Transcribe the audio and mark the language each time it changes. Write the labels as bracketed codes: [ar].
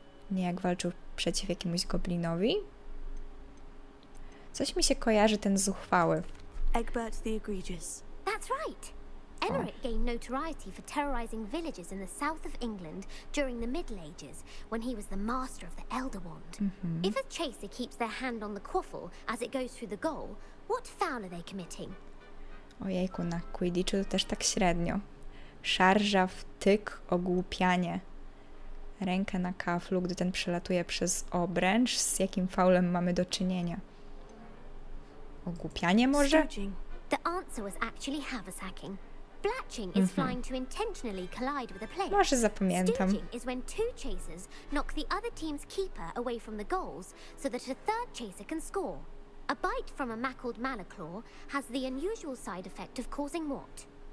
[pl] Nie jak walczył przeciw jakiemuś goblinowi? Coś mi się kojarzy ten zuchwały. [en] Egbert the Egregious. That's right. Emmerich gained notoriety for terrorizing villages in the south of England during the Middle Ages, when he was the master of the Elder Wand. Mm-hmm. If a chaser keeps their hand on the quaffle as it goes through the goal, what foul are they committing? [pl] Ojejku, na Quidditchu to też tak średnio. Szarża, wtyk, ogłupianie. Rękę na kaflu, gdy ten przelatuje przez obręcz. Z jakim faulem mamy do czynienia? Ogłupianie może? [en] Stoging. The answer was actually haversacking. Blatching is flying to intentionally collide with a player. [pl] Może zapamiętam. [en] Stooging is when two chasers knock the other team's keeper away from the goals so that a third chaser can score. A bite from a mackled mana claw has the unusual side effect of causing what?